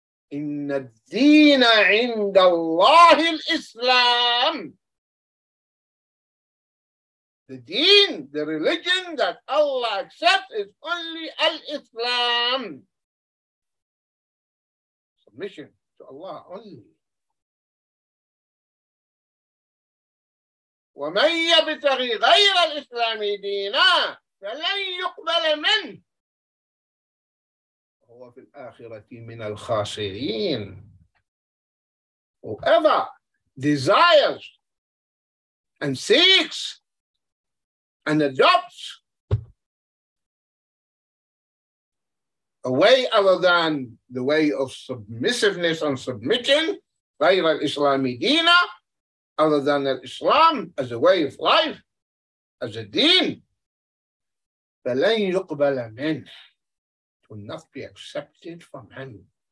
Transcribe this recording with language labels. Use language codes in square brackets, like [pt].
[ar] Inna deena inda Allahi al-Islam. [en] The deen, the religion that Allah accepts is only al-Islam. Submission to Allah only. [ar] ومن يبتغي غير الإسلام دينا فلن يقبل منه هو في الآخرة من الخاسرين. [en] Whoever desires and seeks and adopts a way other than the way of submissiveness and submitting, [ar] غير الإسلام دينا, [en] other than Islam as a way of life, as a deen, [ar] فلن يقبل منه, [en] it will not be accepted from him.